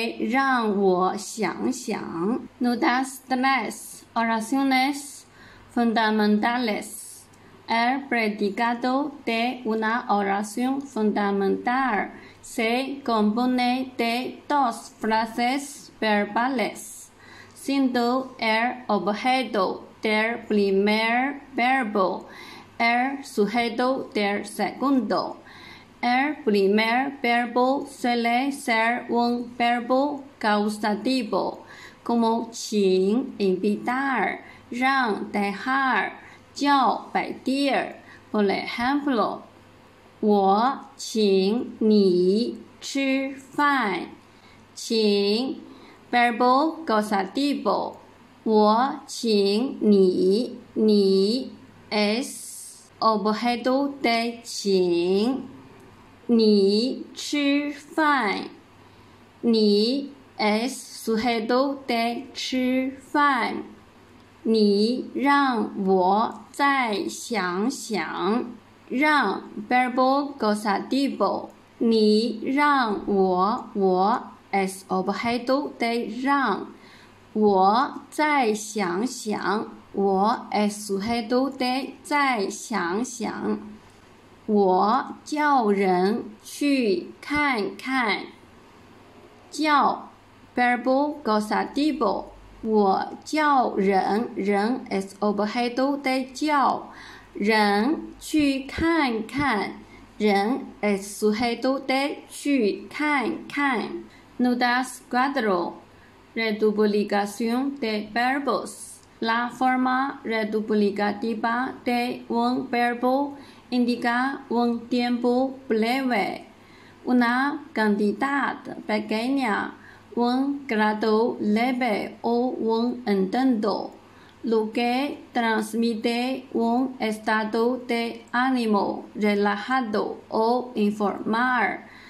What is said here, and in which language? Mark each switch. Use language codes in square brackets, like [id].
[zh] 让我想想 [es] Notas tres oraciones fundamentales el predicado de una oración fundamental se compone de dos frasesverbales, siendo el objeto del primer verbo, el sujeto del segundo. El primer verbo suele ser un verbo causativo, como 请 invitar, 让 dejar, 叫 pedir. Por ejemplo, [zh] 我请你吃饭， [es] 请Verbo causativo, [zh] 我请你， [es] 你 es objeto de 请， [zh] 你吃饭， [es] 你 es sujeto de 吃饭， [zh] 你让我再想想， [es] 让 verbo causativo, [zh] 你让我。 [es] Es objeto de 让， [zh] 我再想想。 [es] 我 es sujeto de [zh] 再想想。我叫人去看看。 [es] 叫 verbo causativo。 [zh] 我叫人， [es] 人 es objeto de [zh] 叫人去看看。 [es] 人 es sujeto de [zh] 去看看。 [es] Notas cuatro, reduplicación de verbos. La forma reduplicativa de un verbo indica un tiempo breve, una cantidad pequeña, un grado leve o un intento, lo que transmite un estado de ánimo relajado o informal.